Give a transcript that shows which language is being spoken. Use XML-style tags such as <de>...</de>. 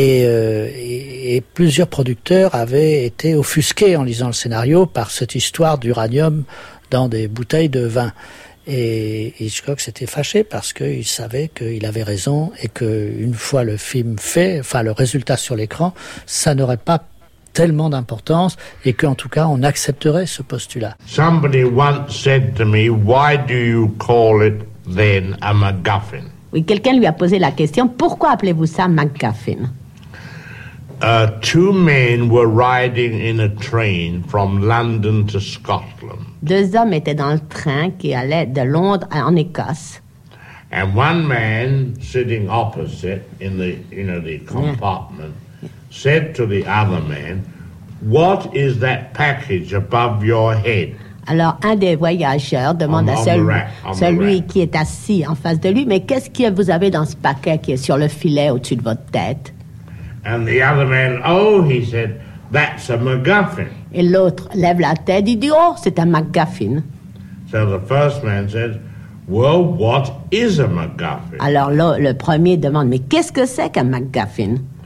<fr>Et plusieurs producteurs avaient été offusqués en lisant le scénario par cette histoire d'uranium dans des bouteilles de vin. Et Hitchcock s'était fâché parce qu'il savait qu'il avait raison et qu'une fois le film fait, enfin le résultat sur l'écran, ça n'aurait pas tellement d'importance et qu'en tout cas on accepterait ce postulat.</fr> <en>Somebody once said to me, why do you call it then a MacGuffin?</en> <fr>Oui, quelqu'un lui a posé la question, pourquoi appelez-vous ça MacGuffin?</fr> <en>Two men were riding in a train from London to Scotland.</en> <fr>Deux hommes étaient dans le train qui allait de Londres en Écosse.</fr> <en>And one man sitting opposite in the, you know, the compartment said to the other man, "What is that package above your head?"</en> <fr>Alors, un des voyageurs demande à celui qui est assis en face de lui, mais qu'est-ce que vous avez dans ce paquet qui est sur le filet au-dessus de votre tête?</fr> <en>And the other man, "Oh," he said, "that's a MacGuffin."</en> <fr>Et l'autre lève la tête et dit, "Oh, c'est un MacGuffin."</fr> <en>So the first man says, "Well, what is a MacGuffin?"</en> <fr>Alors le premier demande, mais qu'est-ce que c'est qu'un MacGuffin?</fr>